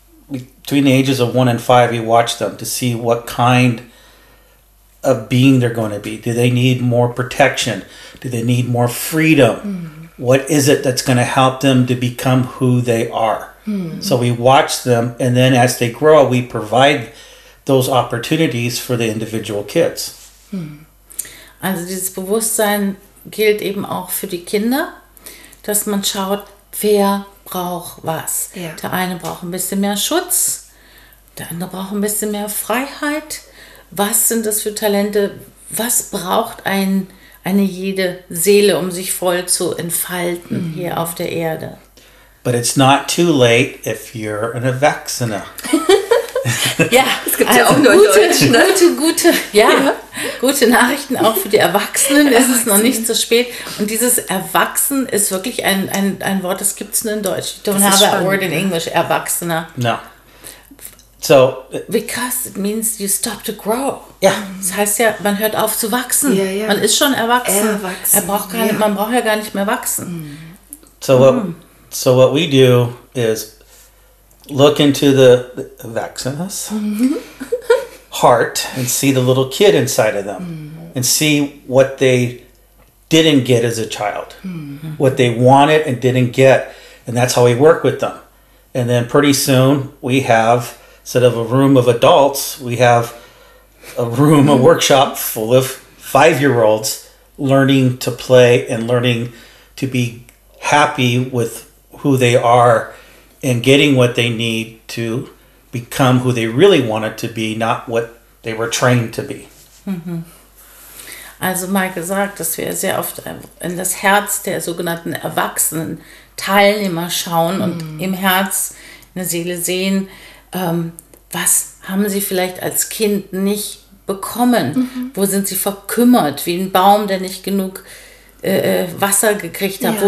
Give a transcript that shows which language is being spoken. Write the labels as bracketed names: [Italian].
[English] Between the ages of 1 and 5, we watch them to see what kind of being they're going to be. Do they need more protection? Do they need more freedom? Mm. What is it that's going to help them to become who they are? So we watch them, and then as they grow, we provide those opportunities for the individual kids. [German] Also dieses Bewusstsein gilt eben auch für die Kinder, dass man schaut, wer braucht was. Ja. Der eine braucht ein bisschen mehr Schutz, der andere braucht ein bisschen mehr Freiheit. Was sind das für Talente? Was braucht eine jede Seele, um sich voll zu entfalten hier auf der Erde? [English] But it's not too late if you're an Erwachsener. [German] Ja, es gibt ja auch nur gute, Deutsch, ne? Gute Nachrichten auch für die Erwachsenen. Erwachsene. Ist es noch nicht zu spät. Und dieses Erwachsen ist wirklich ein Wort, das gibt es nur in Deutsch. [English] You don't have a word in English, Erwachsener. No. So. Because it means you stop to grow. [German] Ja. Das heißt ja, man hört auf zu wachsen. Ja, ja. Man ist schon erwachsen. Erwachsen. Man braucht ja gar nicht mehr wachsen. [English] So what we do is look into the vaginas, heart, and see the little kid inside of them, and see what they didn't get as a child, what they wanted and didn't get. And that's how we work with them. And then pretty soon we have, instead of a room of adults, we have a room, a workshop full of 5-year-olds learning to play and learning to be happy with who they are and getting what they need to become who they really wanted to be, not what they were trained to be. Mm-hmm. [German] Also Michael sagt, dass wir sehr oft in das Herz der sogenannten Erwachsenen Teilnehmer schauen und im Herz eine Seele sehen, was haben sie vielleicht als Kind nicht bekommen? Wo sind sie verkümmert, wie ein Baum, der nicht genug Wasser gekriegt hat? Ja.